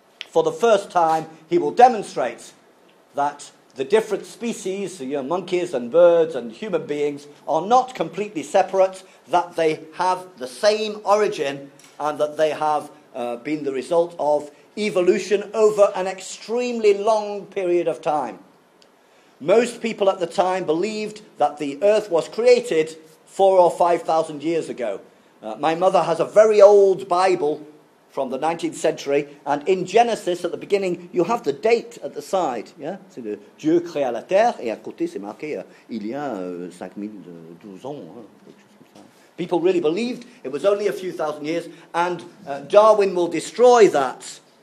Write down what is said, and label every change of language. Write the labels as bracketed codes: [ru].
[en] For the first time, he will demonstrate that the different species, you know, monkeys and birds and human beings, are not completely separate, that they have the same origin, and that they have been the result of evolution over an extremely long period of time. Most people at the time believed that the Earth was created 4,000 or 5,000 years ago. My mother has a very old Bible from the 19th century, and in Genesis, at the beginning, you have the date at the side. [fr] Yeah, c'est le Dieu créa la terre, et à côté, c'est marqué il y a 5,012 ans. [en] People really believed it was only a few thousand years, and Darwin will destroy that.